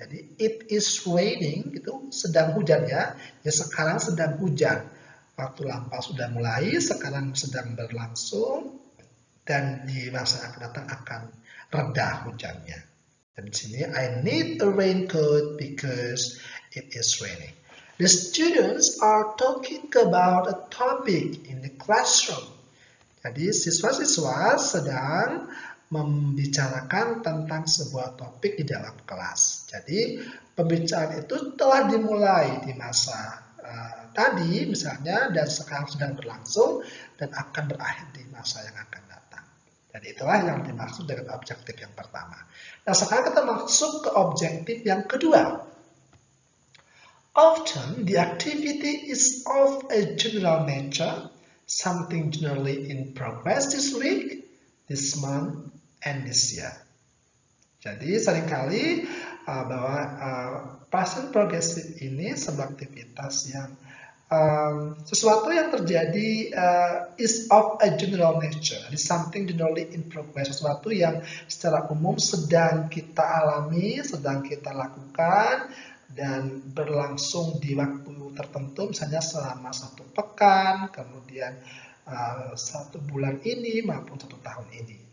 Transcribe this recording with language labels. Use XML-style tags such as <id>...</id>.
<id>Jadi</id> <en>it is raining</en> <id>itu sedang hujan ya. Ya sekarang sedang hujan. Waktu lampau sudah mulai, sekarang sedang berlangsung dan di masa yang akan datang akan reda hujannya. Dan di sini</id> <en>I need a raincoat because it is raining. The students are talking about a topic in the classroom.</en> <id>Jadi siswa-siswa sedang membicarakan tentang sebuah topik di dalam kelas. Jadi pembicaraan itu telah dimulai di masa tadi misalnya dan sekarang sedang berlangsung dan akan berakhir di masa yang akan datang. Jadi itulah yang dimaksud dengan objektif yang pertama. Nah sekarang kita masuk ke objektif yang kedua.</id> <en>Often, the activity is of a general nature, something generally in progress this week, this month, and this year.</en> <id>Jadi, seringkali bahwa present progressive ini sebuah aktivitas yang Sesuatu yang terjadi</id> <en>is of a general nature, is something generally in progress,</en> <id>sesuatu yang secara umum sedang kita alami, sedang kita lakukan, dan berlangsung di waktu tertentu, misalnya selama 1 pekan, kemudian 1 bulan ini, maupun 1 tahun ini.</id>